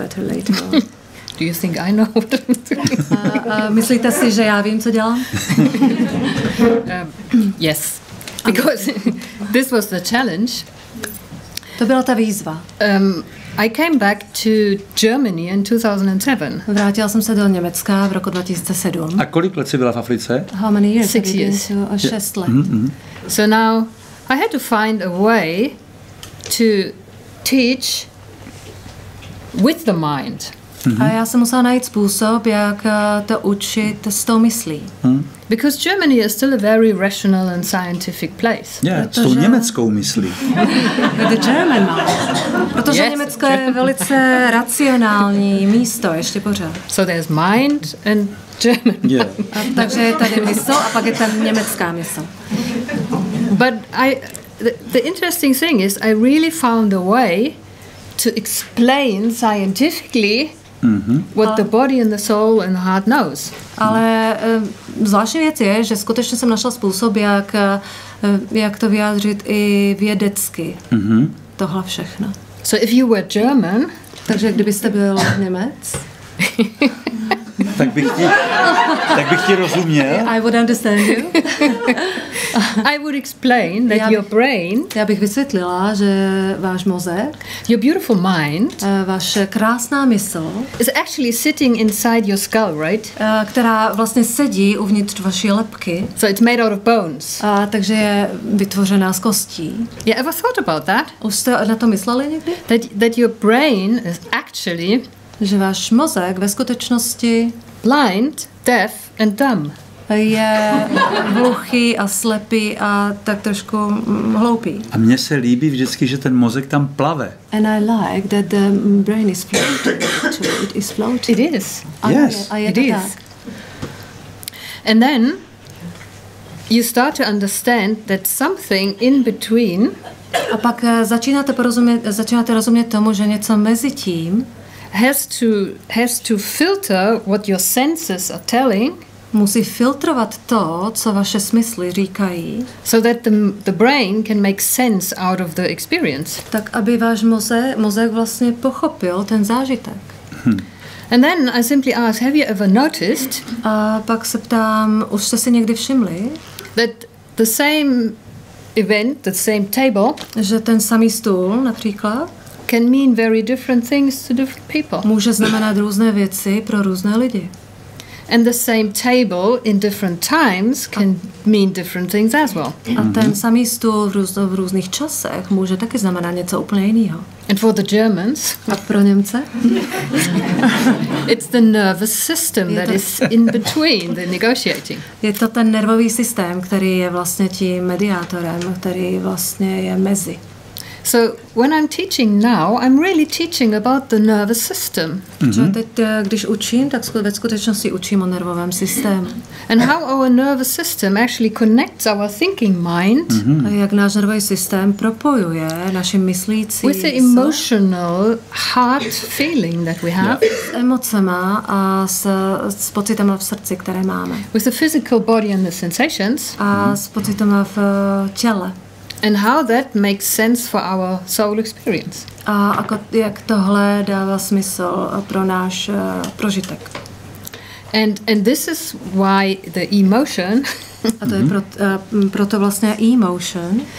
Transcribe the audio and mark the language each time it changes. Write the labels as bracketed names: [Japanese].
[English] Do you think I know what I'm doing? [Czech] Myslíte si, že já vím, co dělám? [English] Yes. Because this was the challenge. [Czech] To byla ta výzva. [English] I came back to Germany in 2007. [Czech] Vrátila jsem se do Německa v roku 2007. A kolik let jsi byla v Africe? [English] How many years? 6 years. [Czech] Šest let. Mm-hmm. [English] So now I had to find a way to teach with the mind. [Czech] A já jsem musela najít způsob, jak to učit s tou myslí. [English] Because Germany is still a very rational and scientific place. [Czech] Yeah, s tou německou myslí. [English] The German mind. [Czech] Protože yes, Německo je velice racionální místo, ještě pořád. [English] So there's mind and German mind. Yeah. [Czech] Takže je tady mysl a pak je tam německá mysl. [English] But the interesting thing is I really found a way to explain scientifically what the body and the soul and the heart knows. [Czech] Ale zvláštní věc je, že skutečně jsem našla způsob, jak to vyjádřit i vědecky. Tohle všechno. [English] So if you were German, [Czech] takže kdybyste byl Němec, tak bych ti rozuměl. [English] I would understand you. I would explain that your brain, [Czech] já bych vysvětlila, že váš mozek, [English] your beautiful mind, [Czech] vaše krásná mysl, [English] is actually sitting inside your skull, right? [Czech] Která vlastně sedí uvnitř vaší lebky. [English] So it's made out of bones. [Czech] A takže je vytvořená z kostí. [English] You ever thought about that? [Czech] Už jste na to mysleli někdy? [English] That your brain is actually, [Czech] že váš mozek ve skutečnosti [English] blind, deaf and dumb. [Czech] Je hluchý a slepý a tak trošku hloupý. A mně se líbí vždycky, že ten mozek tam plave. [English] And I like that the brain is floating. It is floating. It is. Yes. And then you start to understand that something in between. [Czech] A pak začínáte rozumět tomu, že něco mezi tím [English] has to filter what your senses are telling. [Czech] Musí filtrovat to, co vaše smysly říkají. [English] So that the brain can make sense out of the experience. [Czech] Tak aby váš mozek vlastně pochopil ten zážitek. [English] And then I simply ask, have you ever noticed? [Czech] A pak se ptám, už jste si někdy všimli? [English] That the same event, the same table, [Czech] že ten samý stůl například, [English] can mean very different things to different people. [Czech] Může znamenat různé věci pro různé lidi. [English] And the same table in different times can mean different things as well. [Czech] A ten samý stůl v různých časech může taky znamenat něco úplně jiného. [English] And for the Germans, [Czech] a pro Němce, [English] it's the nervous system that is in between the negotiating. [Czech] Je to ten nervový systém, který je vlastně tím mediátorem, který vlastně je mezi. [English] So when I'm teaching now, I'm really teaching about the nervous system. [Czech] Když učím, tak ve skutečnosti učím o nervovém systému. [English] And how our nervous system actually connects our thinking mind. [Czech] A jak náš nervový systém propojuje naše myslící [English] with the emotional heart feeling that we have. [Czech] S emocema a s pocitama v srdci, které máme. [English] With the physical body and the sensations. [Czech] A s pocitama v těle. [English] And how that makes sense for our soul experience. [Czech] A jak tohle dává smysl pro náš prožitek. [English] And this is why the emotion. [Czech] A to je proto vlastně emotion.